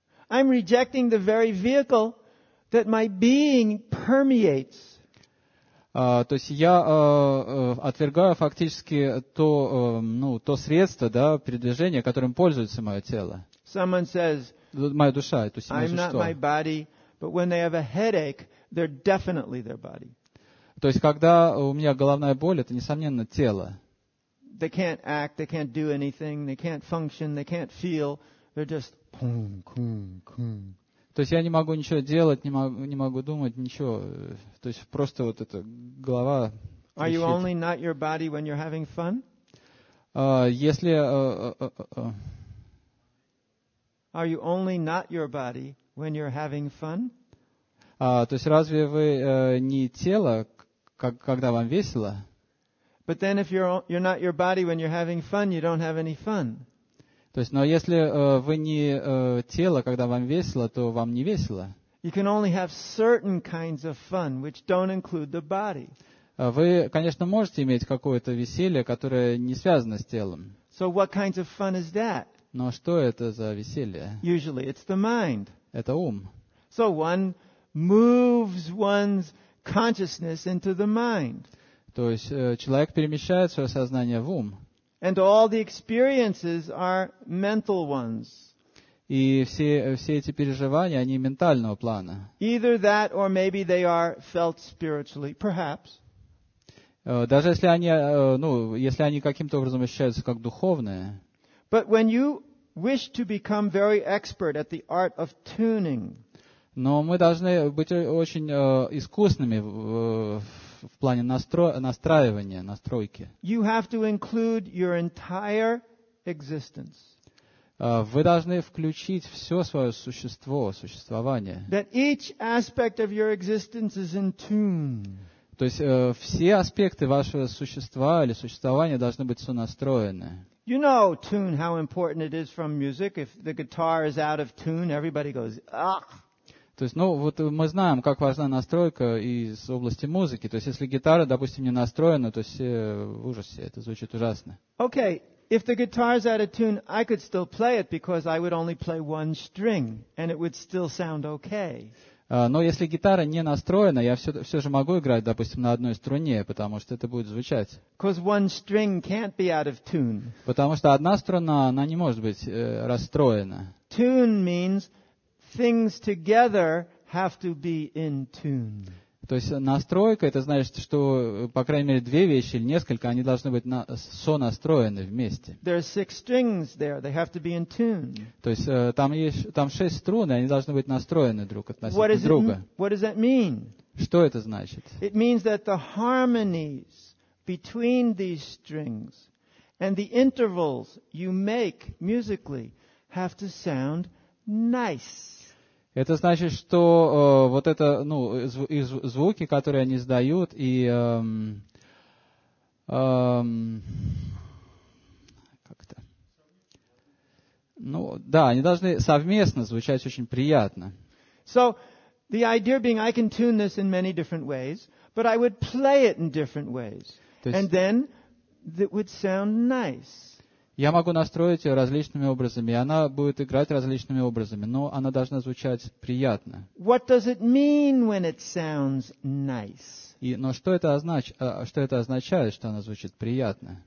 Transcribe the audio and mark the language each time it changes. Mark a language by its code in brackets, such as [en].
[en] I'm rejecting the very vehicle that my being permeates. [ru] То есть я отвергаю фактически то средство, да, передвижения, которым пользуется мое тело. [en] Someone says, [ru] моя душа, то есть [en] I'm not my body, but when they have a headache, they're definitely their body. [ru] То есть когда у меня головная боль, это несомненно тело. [en] They can't act, they can't do anything, they can't function, they can't feel. They're just kum, kum, kum. [ru] То есть я не могу ничего делать, не могу думать, ничего. То есть просто вот эта голова трещит. [en] Are you only not your body when you're having fun? Are you only not your body when you're having fun? [ru] То есть разве вы не тело, когда вам весело? [en] But then if you're not your body when you're having fun, you don't have any fun. [ru] То есть, но если вы не тело, когда вам весело, то вам не весело. [en] You can only have certain kinds of fun, which don't include the body. [ru] Вы, конечно, можете иметь какое-то веселье, которое не связано с телом. [en] So what kinds of fun is that? [ru] Но что это за веселье? [en] Usually it's the mind. [ru] Это ум. [en] So one moves one's consciousness into the mind. [ru] То есть человек перемещает свое сознание в ум. [en] And all the experiences are mental ones. [ru] И все эти переживания, они ментального плана. [en] Either that or maybe they are felt spiritually, perhaps. [ru] Даже если они, если они каким-то образом ощущаются как духовные. [en] But when you wish to become very expert at the art of tuning. [ru] Но мы должны быть очень искусными в плане настраивания, настройки. [en] You have to include your entire existence. [ru] Вы должны включить все свое существо, существование. [en] That each aspect of your existence is in tune. [ru] То есть все аспекты вашего существа или существования должны быть сонастроены. [en] You know tune, how important it is from music. If the guitar is out of tune, everybody goes, ugh. [ru] То есть, мы знаем, как важна настройка из области музыки. То есть, если гитара, допустим, не настроена, то все в ужасе, это звучит ужасно. [en] Okay, If the guitar is out of tune, I could still play it because I would only play one string and it would still sound okay. [ru] Но если гитара не настроена, я все же могу играть, допустим, на одной струне, потому что это будет звучать. [en] Because one string can't be out of tune. [ru] Потому что одна струна, она не может быть расстроена. [en] Tune means things together have to be in tune. [ru] То есть настройка, это значит, что, по крайней мере, две вещи или несколько, они должны быть сонастроены вместе. [en] There are six strings there. They have to be in tune. [ru] То есть там шесть струн, и они должны быть настроены друг относительно друга. [en] What does that mean? [ru] Что это значит? [en] It means that the harmonies between these strings and the intervals you make musically have to sound nice. [ru] Это значит, что вот это, ну, звуки, которые они издают, и как-то, ну, да, они должны совместно звучать очень приятно. [en] So the idea being, I can tune this in many different ways, but I would play it in different ways, and then it would sound nice. [ru] Я могу настроить ее различными образами, и она будет играть различными образами, но она должна звучать приятно. [en] What does it mean when it sounds nice? [ru] Но что это означает, что она звучит приятно?